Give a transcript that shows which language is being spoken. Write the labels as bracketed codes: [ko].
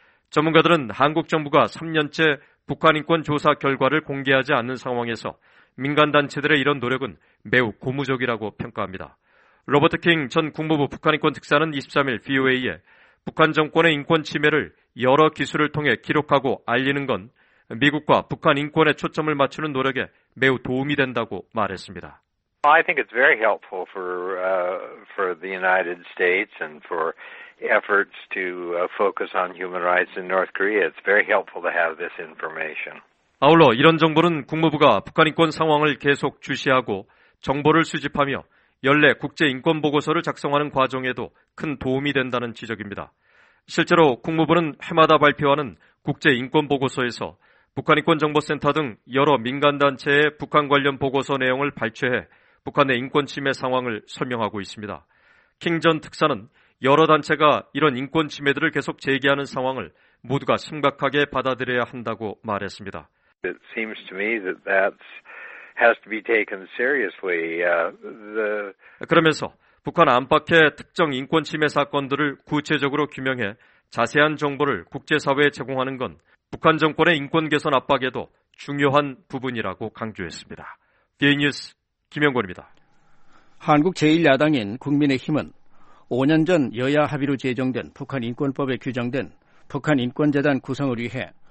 [ko] 전문가들은 한국 정부가 3년째 북한인권조사 결과를 공개하지 않는 상황에서 민간단체들의 이런 노력은 매우 고무적이라고 평가합니다. 로버트 킹 전 국무부 북한인권특사는 23일 VOA에 북한 정권의 인권 침해를 여러 기술을 통해 기록하고 알리는 건 미국과 북한 인권에 초점을 맞추는 노력에 매우 도움이 된다고 말했습니다. [en] I think it's very helpful for the United States and for efforts to focus on human rights in North Korea. It's very helpful to have this information. [ko] 아울러 이런 정보는 국무부가 북한 인권 상황을 계속 주시하고 정보를 수집하며 연례 국제 인권 보고서를 작성하는 과정에도 큰 도움이 된다는 지적입니다. 실제로 국무부는 해마다 발표하는 국제인권보고서에서 북한인권정보센터 등 여러 민간단체의 북한 관련 보고서 내용을 발췌해 북한의 인권침해 상황을 설명하고 있습니다. 킹 전 특사는 여러 단체가 이런 인권침해들을 계속 제기하는 상황을 모두가 심각하게 받아들여야 한다고 말했습니다. [en] It seems to me that that has to be taken seriously. [ko] 그러면서 북한 안팎의 특정 인권 침해 사건들을 구체적으로 규명해 자세한 정보를 국제사회에 제공하는 건 북한 정권의 인권 개선 압박에도 중요한 부분이라고 강조했습니다. VOA 뉴스 김영권입니다. 한국 제1야당인 국민의힘은 5년 전 여야 합의로 제정된 북한 인권법에 규정된 북한 인권재단 구성을 위해